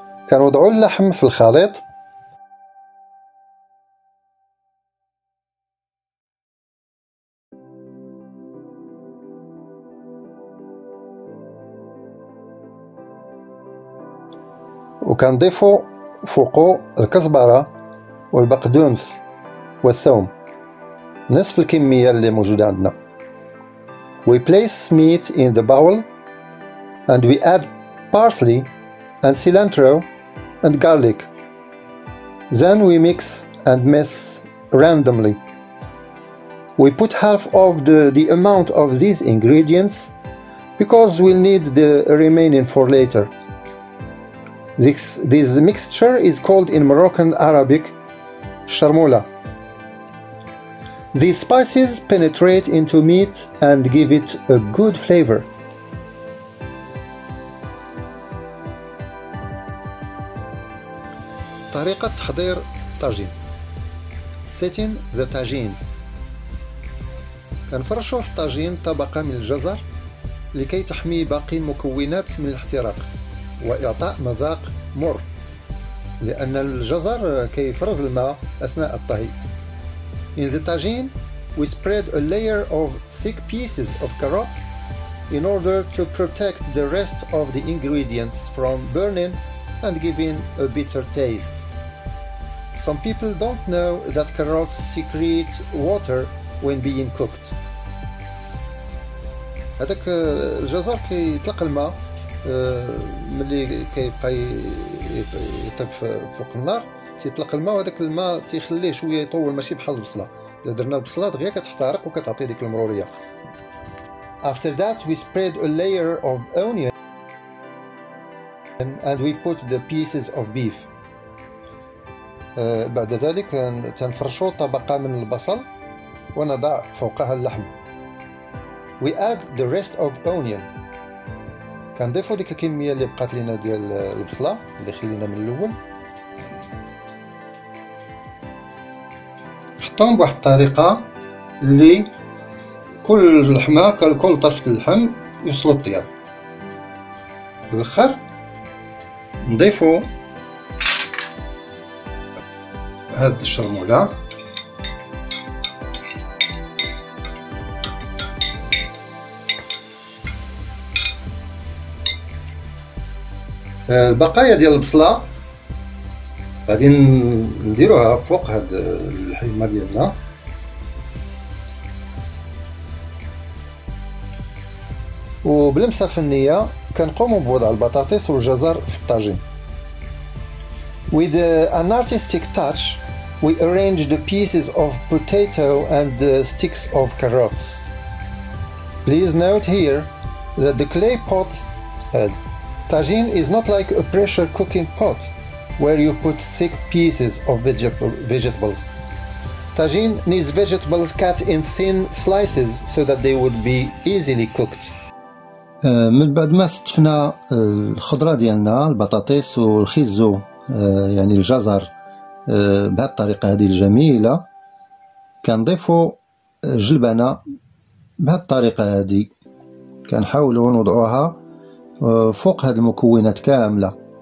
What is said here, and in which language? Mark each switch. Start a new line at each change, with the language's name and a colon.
Arabic: كنوضعوا اللحم في الخليط وكنضيفوا فوقه الكزبرة والبقدونس والثوم، نصف الكمية اللي موجودة عندنا.
English: We place meat in the bowl and we add parsley and cilantro and garlic. Then we mix and mess randomly. We put 1/2 of the amount of these ingredients because we'll need the remaining for later. This mixture is called in Moroccan Arabic sharmoula. These spices penetrate into meat and give it a good flavor.
Arabic: طريقة تحضير طاجين.
English: Setting the tagine.
Arabic: كنفرشوا في الطاجين طبقة من الجزر لكي تحمي باقي المكونات من الاحتراق وإعطاء مذاق مر، لأن الجزر كيفرز الماء أثناء الطهي.
English: In the tagine, we spread a layer of thick pieces of carrot in order to protect the rest of the ingredients from burning and giving a bitter taste. Some people don't know that carrots secrete water when being cooked.
Arabic: هذاك الجزر كيطلق الماء ملي كيبقى يطيب فوق النار تيطلق الماء وهذاك الماء تيخليه شويه يطول ماشي بحال البصله الا درنا البصله دغيا كتحترق وكتعطي ديك المروريه.
English: After that we spread a layer of onion and we put the pieces of beef.
Arabic: بعد ذلك تنفرشوا طبقه من البصل ونضع فوقها اللحم.
English: We add the rest of onion.
Arabic: كنضيفوا ديك الكميه اللي بقات لنا ديال البصله اللي خلينا من الاول. حطوهم بواحد الطريقه اللي كل لحمه كل طرفه اللحم يوصلوا الطياب. الاخر نضيفوا هاد الشرموله البقايا ديال البصله غادي نديروها فوق هاد الحيمه ديالنا وبلمسه فنيه كنقومو بوضع البطاطس والجزر في الطاجين.
English: With an artistic touch we arrange the pieces of potato and the sticks of carrots. Please note here that the clay pot tagine is not like a pressure cooking pot where you put thick pieces of vegetables. Tagine needs vegetables cut in thin slices so that they would be easily cooked.
Arabic: من بعد ما استفنا الخضره ديالنا البطاطس والخيزو يعني الجزر بهذه الطريقه هذه الجميله كنضيفوا جلبانه بهذه الطريقه هذه كنحاولوا نوضعوها فوق هذه المكونات كامله.